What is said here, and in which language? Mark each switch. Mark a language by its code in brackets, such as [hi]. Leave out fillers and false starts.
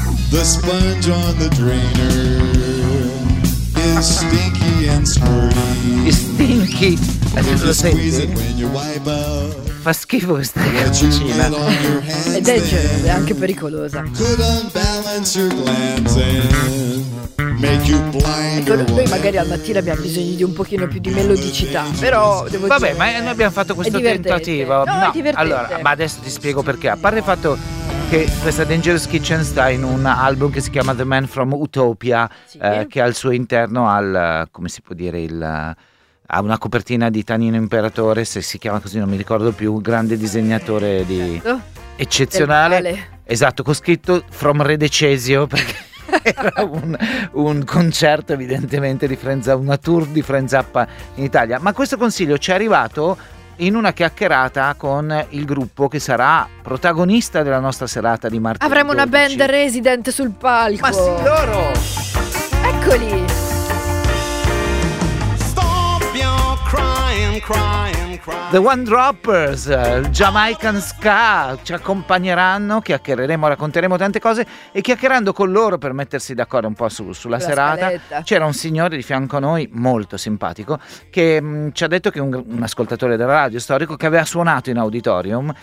[en] The sponge on the drainer is stinky and squirty. It's stinky. If you squeeze it when you wipe out, [it] fa schifo questa cucina. Ed è anche pericolosa. [en] Could unbalance your glands and make you blind. [it] Poi magari al mattino abbiamo bisogno di un pochino più di melodicità, però devo vabbè, dire, ma noi abbiamo fatto questo tentativo. No, allora, ma adesso ti spiego perché. A parte il fatto che questa Dangerous Kitchen sta in un album che si chiama The Man from Utopia, sì, che al suo interno ha il, come si può dire, il, ha una copertina di Tanino Imperatore, se si chiama così non mi ricordo più, un grande disegnatore di eccezionale, esatto, con scritto From Re Decesio, perché era un concerto evidentemente di Frenza, una tour di Frenzappa in Italia. Ma questo consiglio ci è arrivato in una chiacchierata con il gruppo che sarà protagonista della nostra serata di martedì. Avremo 12. Una band resident sul palco. Ma sì, loro! Eccoli! [en] Stop your crying, crying, crying. [it] The One Droppers, Jamaican Ska, ci accompagneranno, chiacchiereremo, racconteremo tante cose e chiacchierando con loro per mettersi d'accordo un po' sulla serata, scaletta. C'era un signore di fianco a noi, molto simpatico, che ci ha detto che un ascoltatore della radio storico che aveva suonato in auditorium,